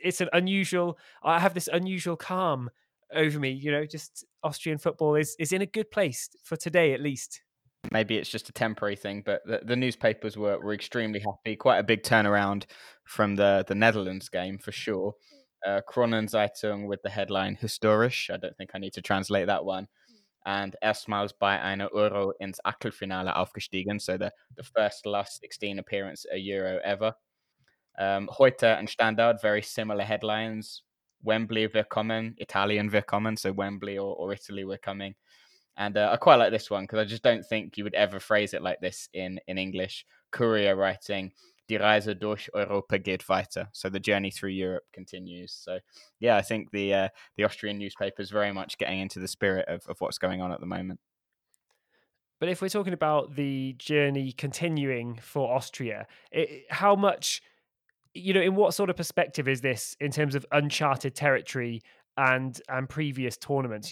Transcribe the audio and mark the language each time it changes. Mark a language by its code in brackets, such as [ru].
[en] It's an unusual, I have this unusual calm over me, you know, just Austrian football is in a good place for today, at least. Maybe it's just a temporary thing, but the newspapers were extremely happy. Quite a big turnaround from the Netherlands game, for sure. Kronenzeitung with the headline Historisch. I don't think I need to translate that one. And [de] erstmals bei einer Euro ins Achtelfinale aufgestiegen. [en] So the first last 16 appearance a Euro ever. Heute and Standard, very similar headlines. Wembley, [de] wir kommen. [en] Italian, wir kommen. So Wembley or Italy, we're coming. And I quite like this one because I just don't think you would ever phrase it like this in English. Courier writing, [de] Die Reise durch Europa geht weiter. [en] So the journey through Europe continues. So, yeah, I think the Austrian newspaper is very much getting into the spirit of what's going on at the moment. But if we're talking about the journey continuing for Austria, how much, you know, in what sort of perspective is this in terms of uncharted territory and previous tournaments?